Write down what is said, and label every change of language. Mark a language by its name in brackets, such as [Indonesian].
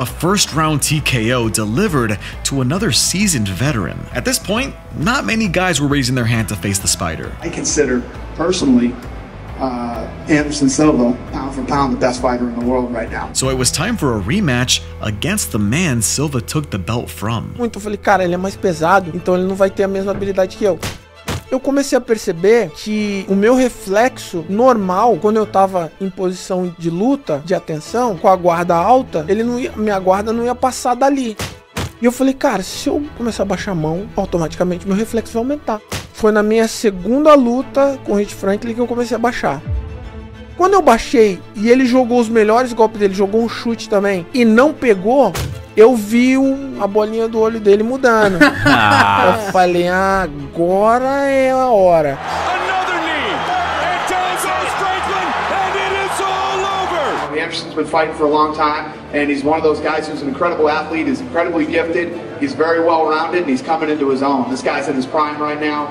[English] A first round TKO delivered to another seasoned veteran. At this point, not many guys were raising their hand to face the spider. I consider, personally, Anderson Silva, pound for pound, the best fighter in the world right now. So it was time for a rematch against the man Silva took the belt from. [Portuguese] Então eu falei, cara, ele é mais pesado, então ele não vai ter a mesma habilidade que eu. Eu comecei a perceber que o meu reflexo normal, quando eu tava em posição de luta, de atenção, com a guarda alta, ele não ia, minha guarda não ia passar dali. E eu falei, cara, se eu começar a baixar a mão, automaticamente meu reflexo vai aumentar. Foi na minha segunda luta com o Rich Franklin que eu comecei a baixar. Quando eu baixei e ele jogou os melhores golpes dele, jogou um chute também e não pegou, eu vi a bolinha do olho dele mudando. Eu falei, agora é a hora. [English] Another knee. It does on Franklin, and it is all over. Anderson's been fighting for a long time, and he's one of those guys who's an incredible athlete, is incredibly gifted, he's very well-rounded, and he's coming into his own. This guy's in his prime right now.